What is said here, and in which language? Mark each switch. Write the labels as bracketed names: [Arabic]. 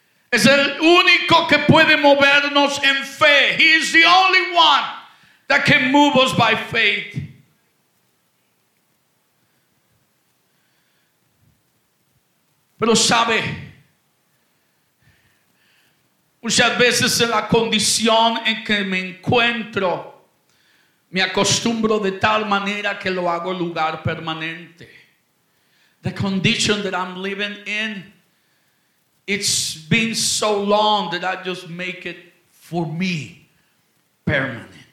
[Spanish] Es el único que puede movernos en fe. [English] He is the only one that can move us by faith. [Spanish] Pero sabe, muchas veces en la condición en que me encuentro, me acostumbro de tal manera que lo hago lugar permanente. [English] The condition that I'm living in, it's been so long that I just make it for me permanent.